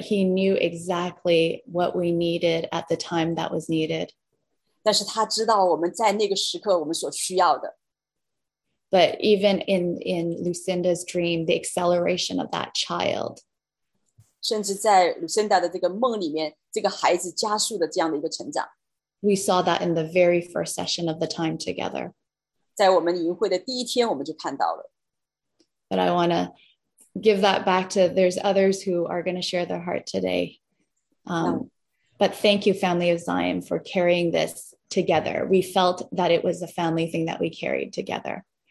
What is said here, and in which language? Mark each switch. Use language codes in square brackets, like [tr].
[en] he knew exactly what we needed at the time that was needed. [zh] 但是他知道我们在那个时刻我们所需要的。 [en] But even in Lucinda's dream, the acceleration of that child. [zh] 甚至在Lucinda的这个梦里面，这个孩子加速的这样的一个成长。 [en] We saw that in the very first session of the time together. [zh] 在我们营会的第一天，我们就看到了。 [en] But I want to give that back to, there's others who are going to share their heart today. But thank you, Family of Zion, for carrying this together. We felt that it was a family thing that we carried together.